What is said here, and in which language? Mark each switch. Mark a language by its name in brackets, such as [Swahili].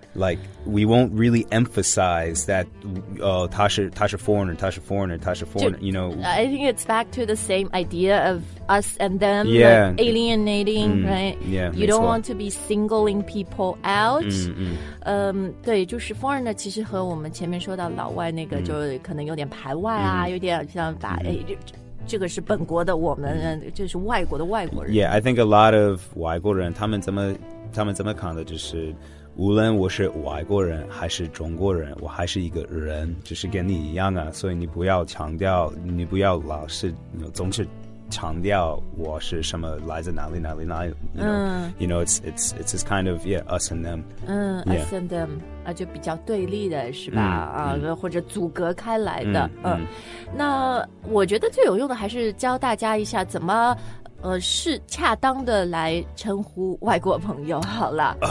[English] Like, we won't really emphasize that, Tasha foreigner, Tasha foreigner, Tasha foreigner, you know. I think it's back to the same idea of us and them, yeah. Like alienating, right? Yeah, you don't want to be singling people out. [Chinese] 对，就是 foreigner 其实和我们前面说到老外那个就可能有点排外啊，有点像把这个是本国的我们，这是外国的外国人。 [English] Yeah, I think a lot of [Chinese] 外国人他们怎么看的就是无论我是外国人还是中国人，我还是一个人，就是跟你一样啊。所以你不要强调，你不要老是总是强调我是什么来自哪里哪里哪里。 [English] You know, it's this kind of yeah us and them. Us and them [Chinese] 啊，就比较对立的是吧？或者阻隔开来的。那我觉得最有用的还是教大家一下怎么是恰当的来称呼外国朋友好了。